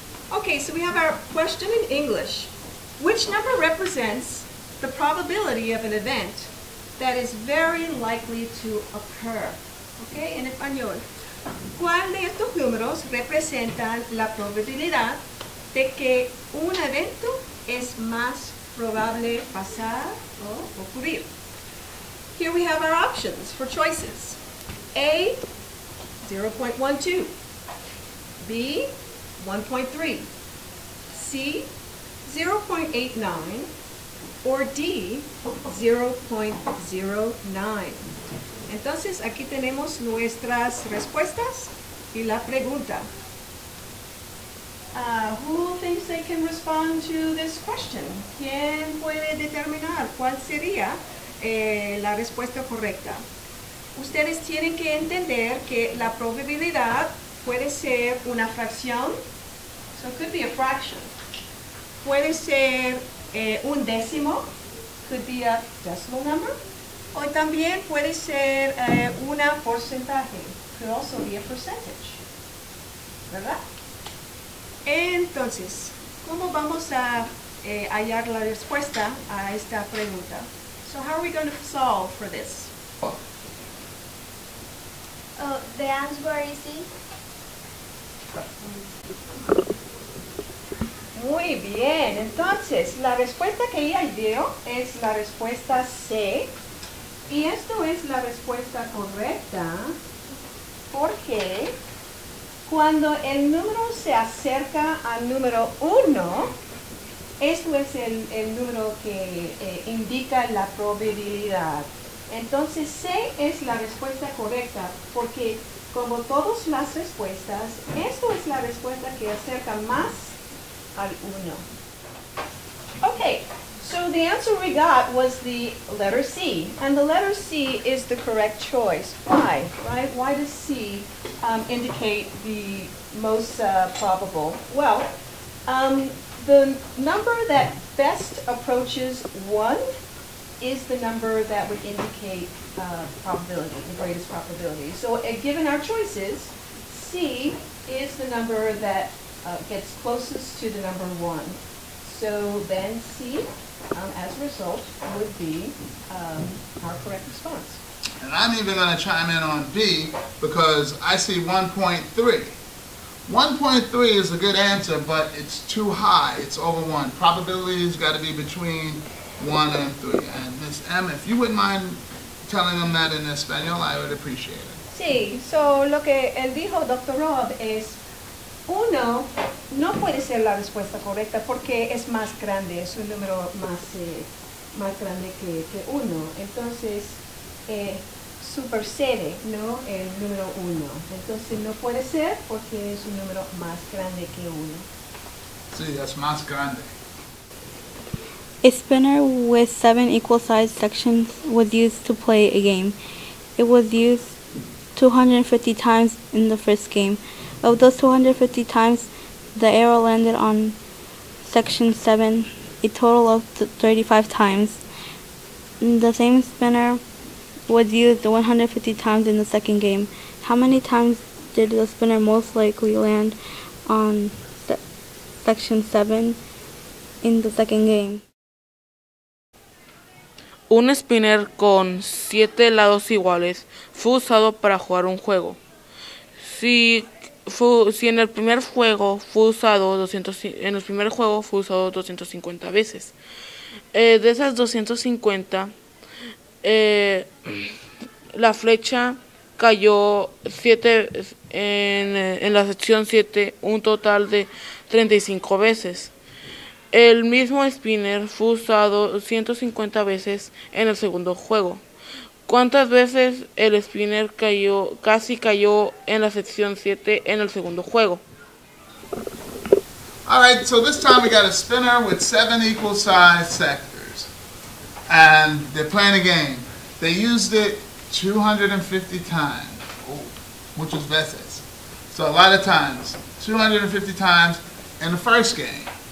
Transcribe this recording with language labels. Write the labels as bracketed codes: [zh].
[en] Okay, so we have our question in English. Which number represents the probability of an event that is very likely to occur? [es] Okay, en español. ¿Cuál de estos números representan la probabilidad de que un evento es más probable pasar o ocurrir? [en] Here we have our options for choices. A, 0.12. B, 1.3. C, 0.89. Or D, 0.09. [es] Entonces, aquí tenemos nuestras respuestas y la pregunta. [en] Who thinks they can respond to this question? [es] ¿Quién puede determinar cuál sería la respuesta correcta? Ustedes tienen que entender que la probabilidad puede ser una fracción. [en] So it could be a fraction. [es] Puede ser un décimo. [en] Could be a decimal number. [es] O también puede ser una porcentaje. [en] Could also be a percentage. [es] ¿Verdad? Entonces, ¿cómo vamos a hallar la respuesta a esta pregunta? [en] So how are we going to solve for this? The answer is easy. [es] Muy bien, entonces la respuesta que ella dio es la respuesta C. Y esto es la respuesta correcta porque cuando el número se acerca al número 1, esto es el número que indica la probabilidad. Entonces C es la respuesta correcta porque como todas las respuestas, esto es la respuesta que acerca más al 1. [en] Okay, so the answer we got was the letter C. And the letter C is the correct choice. Why? Right? Why does C indicate the most probable? Well, the number that best approaches 1 is the number that would indicate probability, the greatest probability. So given our choices, C is the number that gets closest to the number 1. So then C, as a result, would be our correct response. And I'm even going to chime in on B because I see 1.3. 1.3 is a good answer, but it's too high. It's over 1. Probability has got to be between 1 and 3. And Ms. M, if you wouldn't mind telling them that in Espanol, I would appreciate it. [es] Sí, so lo que él dijo, Dr. Rob, es 1 no puede ser la respuesta correcta porque es más grande, es un número más, más grande que 1. Entonces, supersede, ¿no? El número 1. Entonces no puede ser porque es un número más grande que 1. Sí, es más grande. [en] A spinner with 7 equal sized sections was used to play a game. It was used 250 times in the first game. Of those 250 times, the arrow landed on section 7 a total of 35 times. The same spinner was used 150 times in the second game. How many times did the spinner most likely land on section 7 in the second game? [es] Un spinner con 7 lados iguales fue usado para jugar un juego. Si en el primer juego fue usado 250 veces. De esas 250, la flecha cayó en la sección 7 un total de 35 veces. El mismo spinner fue usado 150 veces en el segundo juego. ¿Cuántas veces el spinner casi cayó en la sección 7 en el segundo juego? [en] All right, so this time we got a spinner with 7 equal size sectors. And they're playing a game. They used it 250 times. [es] Muchas veces. [en] So a lot of times. 250 times in the first game.